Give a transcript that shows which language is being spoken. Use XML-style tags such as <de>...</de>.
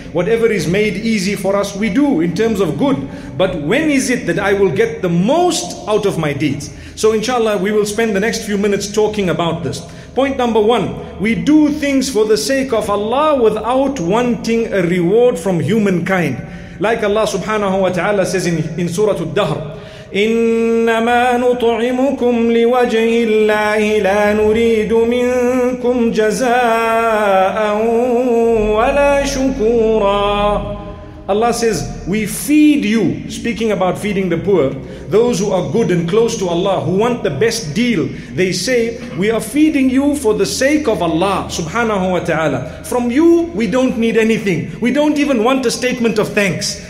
<en>Whatever is made easy for us, we do in terms of good. But when is it that I will get the most out of my deeds? So inshallah, we will spend the next few minutes talking about this. Point number one, we do things for the sake of Allah without wanting a reward from humankind. Like Allah subhanahu wa ta'ala says in Surah Al-Dahr,</en> <ar>إِنَّمَا نُطْعِمُكُمْ لِوَجْهِ اللَّهِ لَا نُرِيدُ مِنْكُمْ جَزَاءً وَلَا شُكُورًا.</ar> <en>Allah says, we feed you, speaking about feeding the poor, those who are good and close to Allah, who want the best deal, they say, we are feeding you for the sake of Allah subhanahu wa ta'ala. From you, we don't need anything. We don't even want a statement of thanks.</en>